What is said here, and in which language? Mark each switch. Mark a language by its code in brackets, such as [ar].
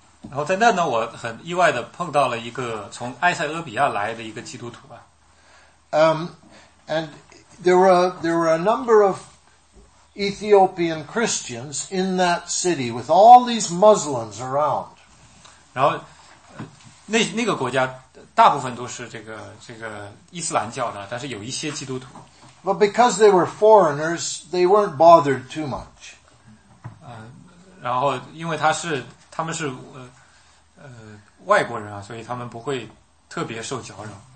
[zh] 然后在那呢，我很意外地碰到了一个从埃塞俄比亚来的一个基督徒啊。 [en] And there were a number of Ethiopian Christians in that city with all these Muslims around. [zh] 然后那个国家大部分都是这个伊斯兰教的，但是有一些基督徒。 [en] But because they were foreigners, they weren't bothered too much. [zh] 然后因为他们是外国人啊，所以他们不会特别受搅扰。